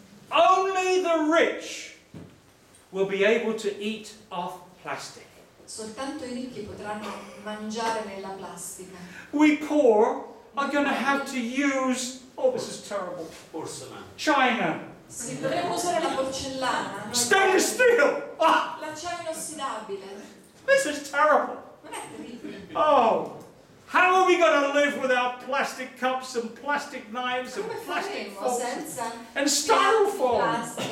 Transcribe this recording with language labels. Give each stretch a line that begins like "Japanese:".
English: Only the rich will be able to eat off plastic.
Italian: Soltanto I ricchi potranno mangiare nella plastica.
English: We poor are going to have to use, oh this is terrible, porcelain. China.
Italian: Si potremmo usare la porcellana.
English: Stainless steel.
Italian: L'acciaio inossidabile.
English: This is terrible. Oh, how are we going to live without plastic cups and plastic knives and plastic forks and styrofoam?